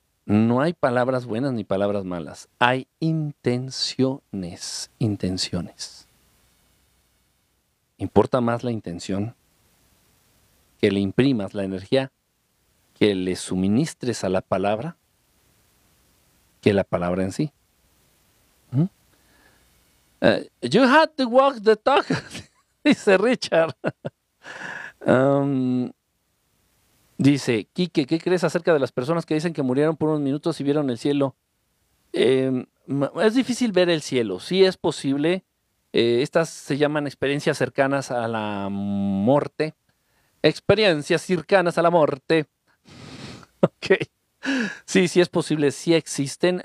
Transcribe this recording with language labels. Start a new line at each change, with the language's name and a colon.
Spanish: No hay palabras buenas ni palabras malas. Hay intenciones, intenciones. Importa más la intención que le imprimas, la energía que le suministres a la palabra, que la palabra en sí. ¿Mm?
English: You had to walk the talk,
Spanish: dice
English: Richard.
Spanish: Dice, Quique, ¿qué crees acerca de las personas que dicen que murieron por unos minutos y vieron el cielo? Es difícil ver el cielo. Sí es posible. Estas se llaman experiencias cercanas a la muerte. Experiencias cercanas a la muerte. Ok. Sí, sí es posible. Sí existen.